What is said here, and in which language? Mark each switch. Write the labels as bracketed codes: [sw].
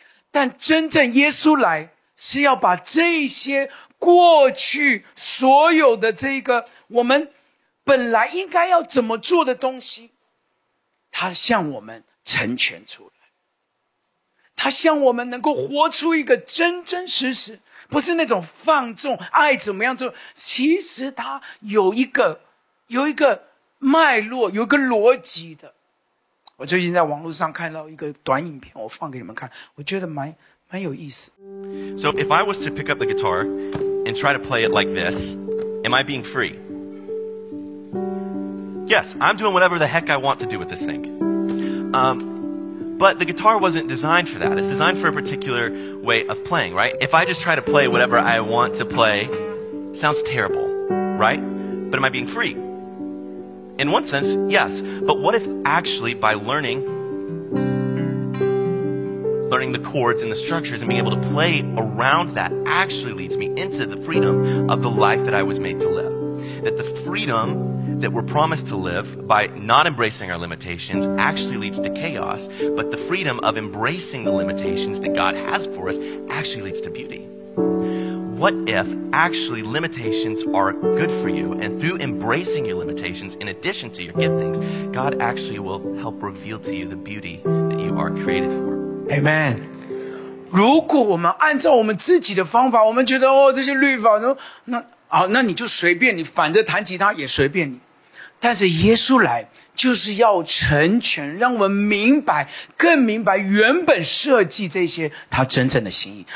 [zh] 但真正耶稣来是要把这些过去所有的这个我们本来应该要怎么做的东西，他向我们成全出来，他向我们能够活出一个真真实实，不是那种放纵爱怎么样做，其实他有一个脉络，有一个逻辑的。我最近在网络上看到一个短影片，我放给你们看，我觉得蛮有意思。 [en] So if I was to pick up the guitar and try to play it like this, am I being free? Yes, I'm doing whatever the heck I want to do with this thing. But the guitar wasn't designed for that. It's designed for a particular way of playing, right? If I just try to play whatever I want to play, sounds terrible, right? But am I being free? In one sense, yes. But what if actually by learning the chords and the structures and being able to play around that actually leads me into the freedom of the life that I was made to live? That the freedom that we're promised to live by not embracing our limitations actually leads to chaos, but the freedom of embracing the limitations that God has for us actually leads to beauty. What if actually limitations are good for you, and through embracing your limitations, in addition to your giftings, God actually will help reveal to you the beauty that you are created for? Amen. [zh] 如果我们按照我们自己的方法，我们觉得哦，这些律法，那你就随便你，反正弹吉他也随便你。但是耶稣来就是要成全，让我们明白，更明白原本设计这些他真正的心意。